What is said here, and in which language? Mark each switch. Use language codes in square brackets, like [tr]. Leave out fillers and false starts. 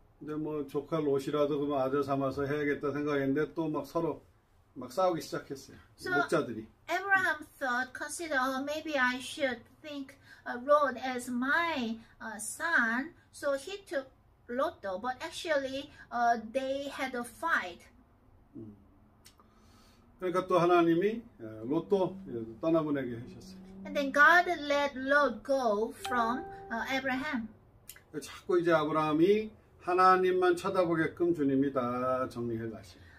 [ko] 근데 뭐 조카 롯이라도 그러면 아들 삼아서 해야겠다 생각했는데 또 막 서로 막 싸우기 시작했어요. 목자들이. [en] So Abraham thought, consider, oh, maybe I should think Lot as my son. So he took Lot though, but actually they had a fight. [ko] 그러니까 또 하나님이 롯도 떠나보내게 하셨어요. [en] And then God let Lot go from Abraham. [ko] 자꾸 이제 아브라함이 하나님만 쳐다보게끔 주님이 다 정리해 가시.